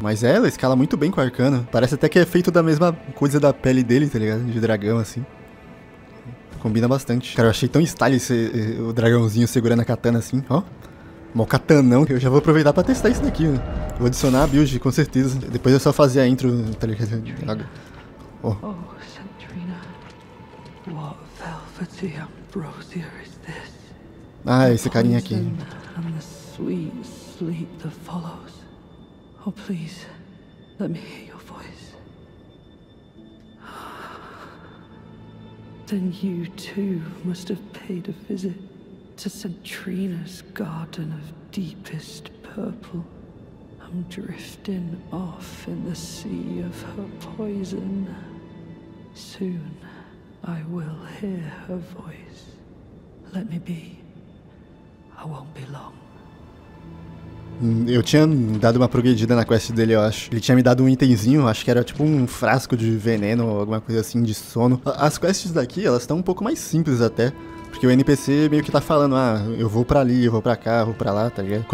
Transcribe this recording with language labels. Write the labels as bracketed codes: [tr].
[pt] Mas ela escala muito bem com o arcano. Parece até que é feito da mesma coisa da pele dele, tá ligado? De dragão, assim. Combina bastante. Cara, eu achei tão style esse o dragãozinho segurando a katana assim, ó. Mó katanão. Eu já vou aproveitar pra testar isso daqui, ó. Vou adicionar a build, com certeza. Depois é só fazer a intro, tá ligado? Santrina. Ó. Oh, Santrina. [en] What velvety ambrosia is this? [pt] Ah, esse carinha aqui. [en] And the sweet sleep that follows. Oh, please, let me hear your voice. Then you too must have paid a visit to Santrina's garden of deepest purple. I'm drifting off in the sea of her poison. Soon I will hear her voice. Let me be. I won't be long. [pt] Eu tinha dado uma progredida na quest dele, eu acho. Ele tinha me dado um itemzinho, acho que era tipo um frasco de veneno ou alguma coisa assim, de sono. As quests daqui, elas estão um pouco mais simples até. Porque o NPC meio que tá falando, ah, eu vou pra ali, eu vou pra cá, eu vou pra lá, tá ligado?